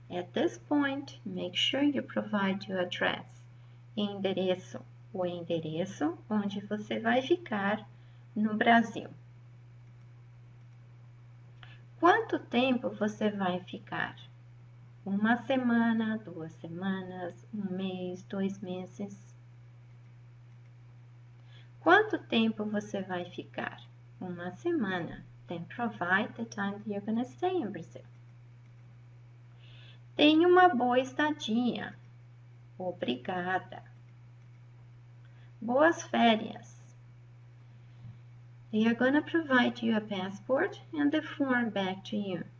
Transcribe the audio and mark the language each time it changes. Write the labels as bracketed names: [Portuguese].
[English] At this point, make sure you provide your address. [Portuguese] Endereço. O endereço onde você vai ficar no Brasil. Quanto tempo você vai ficar? Uma semana, 2 semanas, 1 mês, 2 meses? Quanto tempo você vai ficar? Uma semana. [English] Then provide the time that you're going to stay in Brazil. [Portuguese] Tenha uma boa estadia. Obrigada. Boas férias. [English] They are going to provide you a passport and the form back to you.